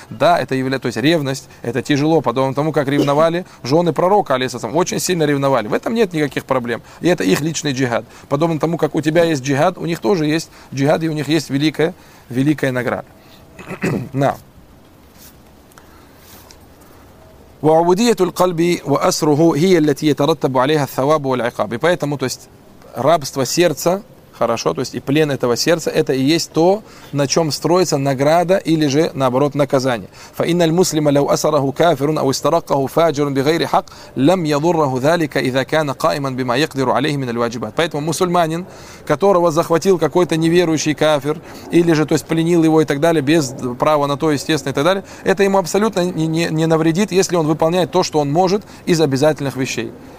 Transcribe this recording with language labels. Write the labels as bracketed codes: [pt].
[ru] Да, это является, то есть ревность, это тяжело, подобно тому, как ревновали жены пророка, алейхиссалям, очень сильно ревновали. В этом нет никаких проблем. И это их личный джихад. Подобно тому, как у тебя есть джихад, у них тоже есть джихад, и у них есть великая, великая награда. На. [ar] وَعُبُدِيَةُ الْقَلْبِ وَأَسْرُهُ هِيَ الَّتِي يَتَرَتَّبُ عَلَيْهَا الثَّوَابُ وَالْعِقَابِ. И поэтому, то есть, рабство сердца, [ru] хорошо, то есть и плен этого сердца, это и есть то, на чем строится награда или же, наоборот, наказание. [ar] فَإِنَّ الْمُسْلِمَ لَوْ أَسَرَهُ كَافِرٌ أَوْ اسْتَرَقَهُ فَاجِرٌ بِغَيْرِ حَقٍ لَمْ يَضُرَّهُ ذَلِكَ إِذَا كَانَ قَائِمًا بِمَا يَقْدِرُ عَلَيْهِ مِنَ الْوَاجِبَاتِ. [ru] Поэтому мусульманин, которого захватил какой-то неверующий кафир, или же, то есть, пленил его и так далее, без права на то, естественно, и так далее, это ему абсолютно не навредит, если он выполняет то, что он может, из обязательных вещей.